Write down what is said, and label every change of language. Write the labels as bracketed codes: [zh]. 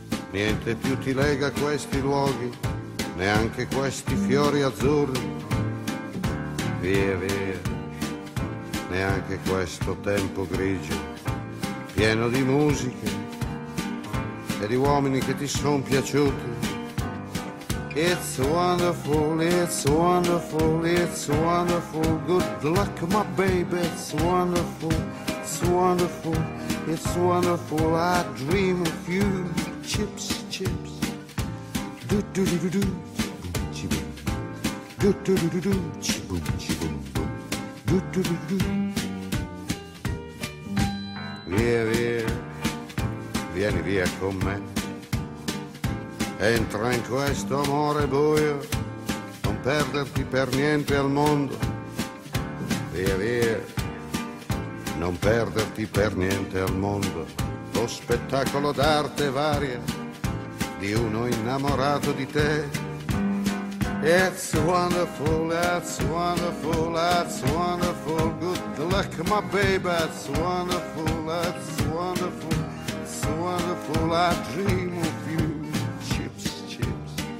[it] Niente più ti lega questi luoghi, neanche questi fiori azzurri. Via, via, neanche questo tempo grigio, pieno di musiche e di uomini che ti sono piaciuti. [en] It's wonderful, it's wonderful, it's wonderful. Good luck, my baby, it's wonderful. It's wonderful, it's wonderful. I dream of you, chips, chips. Do do do do do, chibum chibum. Do do do do do, chibum chibum bum. Do do do do. [it] Via via, vieni via con me. Entra in questo amore buio, non perderti per niente al mondo. Via via. Non perderti per niente al mondo, lo spettacolo d'arte varia di uno innamorato di te. [en] It's wonderful, that's wonderful, that's wonderful. Good luck, my baby, that's wonderful, it's wonderful. I dream of you, chips, chips.